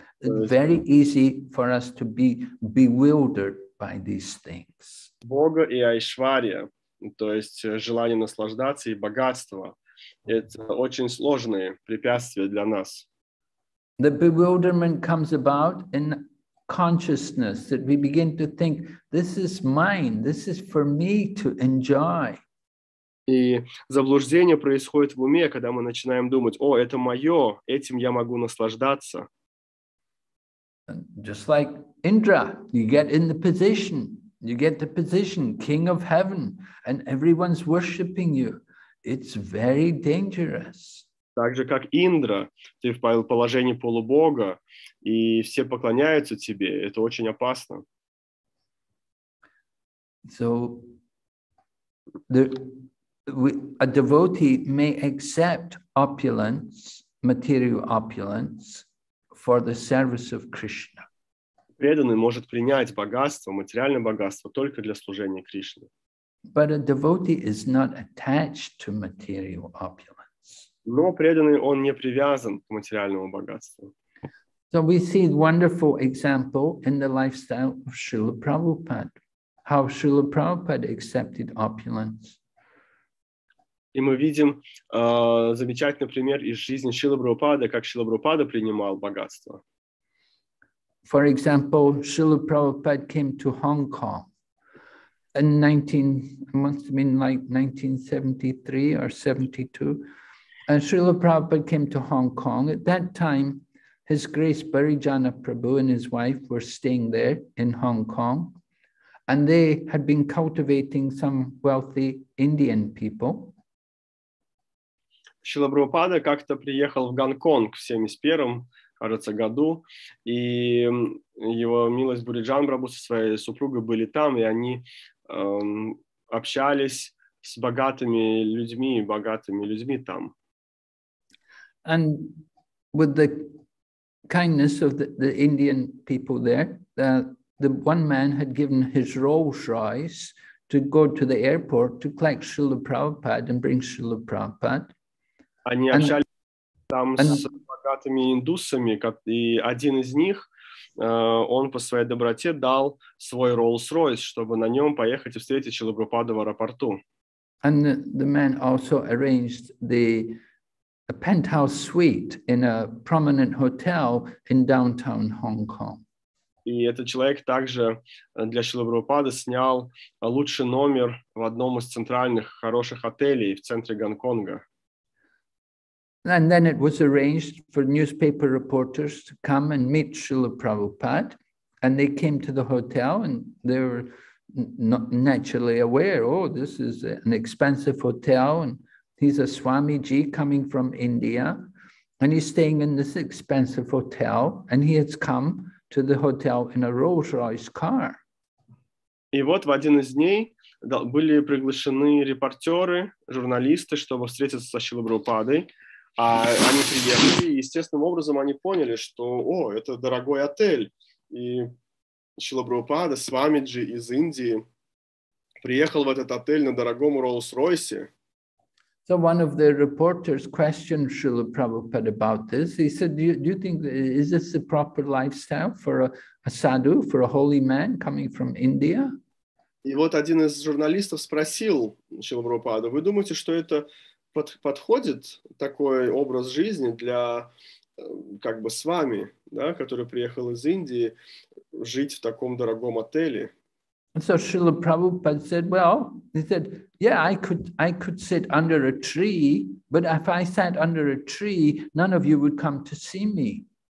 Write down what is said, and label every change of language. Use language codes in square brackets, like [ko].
[en] It's very easy for us to be bewildered by these things. [ru] Boga и Aishwarya, то есть желание наслаждаться и богатство, это очень сложные препятствия для нас. [en] The bewilderment comes about in consciousness, that we begin to think, this is mine, this is for me to enjoy. [ru] И заблуждение происходит в уме, когда мы начинаем думать, о, это мое, этим я могу наслаждаться. [en] Just like Indra, you get in the position, king of heaven, and everyone's worshipping you. It's very dangerous. [ru] Так же, как Индра, ты в положении полубога, и все поклоняются тебе. Это очень опасно. [en] So, a devotee may accept opulence, material opulence, for the service of Krishna. [ru] Преданный может принять богатство, материальное богатство, только для служения Кришне. [en] But a devotee is not attached to material opulence. [ru] Но преданный, он не привязан к материальному богатству. [en] So we see a wonderful example in the lifestyle of Srila Prabhupada, how Srila Prabhupada accepted opulence. [ru] И мы видим замечательный пример из жизни Шрилы Прабхупады, как Шрила Прабхупада принимал богатство. [en] For example, Шрила Прабхупада came to Hong Kong in 1973 or 72. And Шрила Прабхупада came to Hong Kong. At that time, His Grace Bharijana Prabhu and his wife were staying there in Hong Kong. And they had been cultivating some wealthy Indian people. [ru] Шрила Прабхупада как-то приехал в Гонконг в 71-м, кажется, году, и его милость Бриджан Брабу со своей супругой были там, и они общались с богатыми людьми там. [en] And with the kindness of the Indian people there, the one man had given his Rolls Royce to go to the airport to collect Srila Prabhupada and bring Srila Prabhupada. [ru] Они общались там с богатыми индусами, и один из них, он по своей доброте дал свой Rolls-Royce, чтобы на нем поехать и встретить Шрилу Прабхупаду в аэропорту. [en] And the man also arranged the penthouse suite in a prominent hotel in downtown Hong Kong. [ru] И этот человек также для Шрилы Прабхупады снял лучший номер в одном из центральных хороших отелей в центре Гонконга. [en] And then it was arranged for newspaper reporters to come and meet Srila Prabhupada. And they came to the hotel and they were not naturally aware, oh, this is an expensive hotel. And he's a Swamiji coming from India. And he's staying in this expensive hotel. And he has come to the hotel in a Rolls-Royce car. [ru] И вот в один из дней были приглашены репортеры, журналисты, чтобы встретиться со Шрилой Прабхупадой. А они приехали, и естественным образом они поняли, что, о, это дорогой отель, и Шрила Прабхупада, Свамиджи из Индии, приехал в этот отель на дорогом Rolls-Royce. [en] So one of the reporters questioned Srila Prabhupada about this. He said, do you think, is this the proper lifestyle for a sadhu, for a holy man coming from India? [ru] И вот один из журналистов спросил Шрила Прабхупада, вы думаете, что это... подходит такой образ жизни для как бы Свами, да, который приехал из Индии жить в таком дорогом отеле. [en] And so Srila Prabhupada said, well, he said, yeah, I could sit under a tree, but if I sat under a tree, none of you would come to see me.